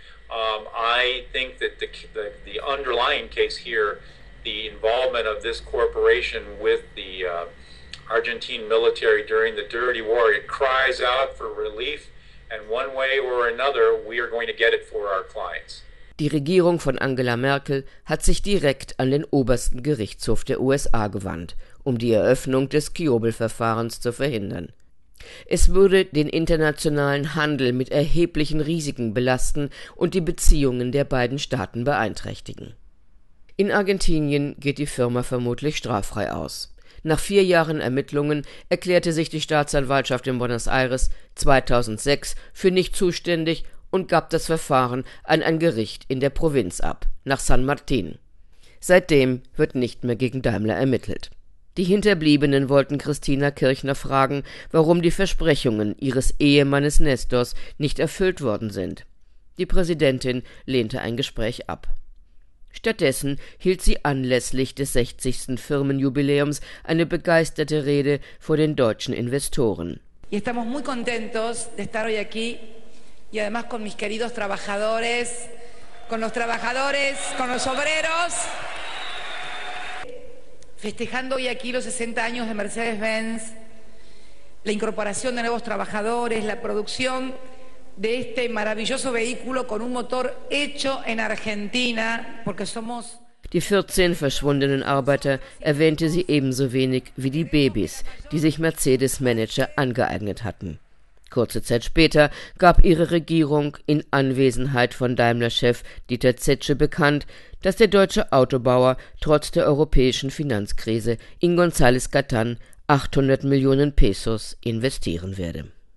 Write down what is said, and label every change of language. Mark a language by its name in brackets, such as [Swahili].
[English] I think that the underlying case here, the involvement of this corporation with the Argentine military during the Dirty War, it cries out for relief, and one way or another, we are going to get it for our clients. [German] Die Regierung von Angela Merkel hat sich direkt an den obersten Gerichtshof der USA gewandt, um die Eröffnung des Kiobel-Verfahrens zu verhindern. Es würde den internationalen Handel mit erheblichen Risiken belasten und die Beziehungen der beiden Staaten beeinträchtigen. In Argentinien geht die Firma vermutlich straffrei aus. Nach 4 Jahren Ermittlungen erklärte sich die Staatsanwaltschaft in Buenos Aires 2006 für nicht zuständig und gab das Verfahren an ein Gericht in der Provinz ab, nach San Martin. Seitdem wird nicht mehr gegen Daimler ermittelt. Die Hinterbliebenen wollten Christina Kirchner fragen, warum die Versprechungen ihres Ehemannes Nestors nicht erfüllt worden sind. Die Präsidentin lehnte ein Gespräch ab. Stattdessen hielt sie anlässlich des 60. Firmenjubiläums eine begeisterte Rede vor den deutschen Investoren. Wir sind sehr glücklich, heute hier zu sein. [Spanish] Y además con mis queridos trabajadores, con los trabajadores, con los obreros. Festejando hoy aquí los 60 años de Mercedes-Benz, la incorporación de nuevos trabajadores, la producción de este maravilloso vehículo con un motor hecho en Argentina, porque somos... [German] Die 14 verschwundenen Arbeiter erwähnte sie ebenso wenig wie die Babys, die sich Mercedes-Manager angeeignet hatten. Kurze Zeit später gab ihre Regierung in Anwesenheit von Daimler-Chef Dieter Zetsche bekannt, dass der deutsche Autobauer trotz der europäischen Finanzkrise in González Catán 800 Millionen Pesos investieren werde.